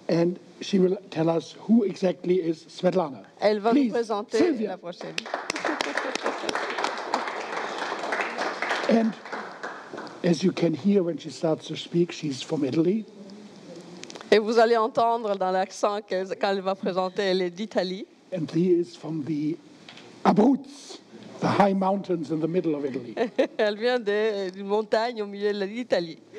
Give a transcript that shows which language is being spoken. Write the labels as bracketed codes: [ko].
[en] And she will tell us who exactly is Svetlana. [fr] Elle va nous présenter Sylvia. La prochaine. [en] And as you can hear when she starts to speak, she's from Italy. [fr] Et vous allez entendre dans l'accent qu'elle, quand elle va présenter, elle est d'Italie. [en] And she is from the Abruzzi. The high mountains in the middle of Italy. [fr] Elle vient d'une montagne au milieu de l'Italie.